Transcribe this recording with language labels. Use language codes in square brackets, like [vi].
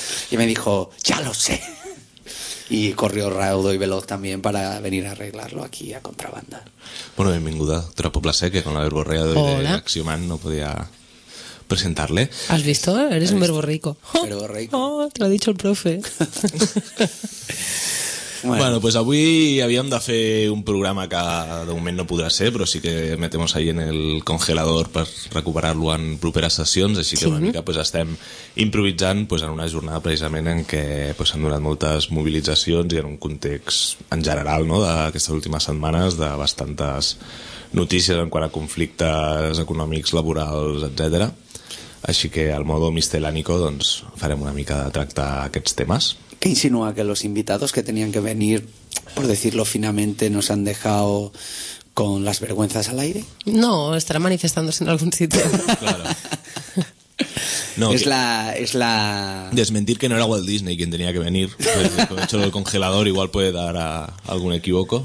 [es] Y me dijo, ya lo sé. Y corrió raudo y veloz también para venir a arreglarlo aquí a Contrabanda. Bueno, bienvenida, doctora Poplasek, que con la verborrea de Axioman no podía presentarle. ¿Has visto? Eres un verborrico. Verborrico. Oh, te lo ha dicho el profe. [ca] Bueno, pues avui havíem de fer un programa que de moment no podrà ser, però sí que [es] metemos ahí en el congelador [ca] per recuperar-lo en properes sessions, així que sí. Una mica pues, estem improvisant pues, en una jornada precisament en què pues, s'han donat moltes mobilitzacions i en un context en general no, d'aquestes últimes setmanes de bastantes notícies en quant a conflictes econòmics, laborals, etc. Així que al modo mistelànico doncs, farem una mica de tractar aquests temes. [es] ¿Qué insinúa? Que los invitados que tenían que venir, por decirlo finamente, nos han dejado con las vergüenzas al aire. No, estará manifestándose en algún sitio. Claro. No, es la desmentir que no era Walt Disney quien tenía que venir. Pues, con hecho del congelador igual puede dar a algún equívoco.